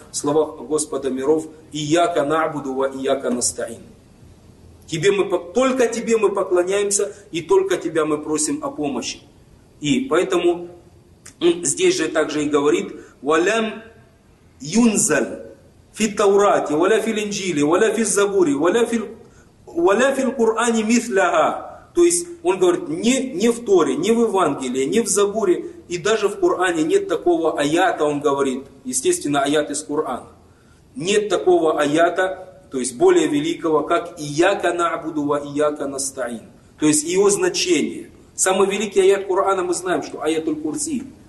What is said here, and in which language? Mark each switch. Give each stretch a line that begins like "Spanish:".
Russian: В словах Господа миров.
Arabic: Ияка на'буду ва ияка настаин.
Russian: Только тебе мы поклоняемся, и только тебя мы просим о помощи. И поэтому здесь же также и говорит, валям юнзаль.
Arabic: في التوراة ولا في الإنجيل ولا في الزبور ولا في القرآن مثلها.
Russian: То есть он говорит, не в Торе, не в Евангелии, не в Забуре, и даже в Коране нет такого аята, он говорит, естественно, аят из Корана. Нет такого аята, то есть более великого, как
Arabic: ияка наъбуду ва ияка настаин.
Russian: То есть его значение. Самый великий аят Корана мы знаем, что аятуль курси.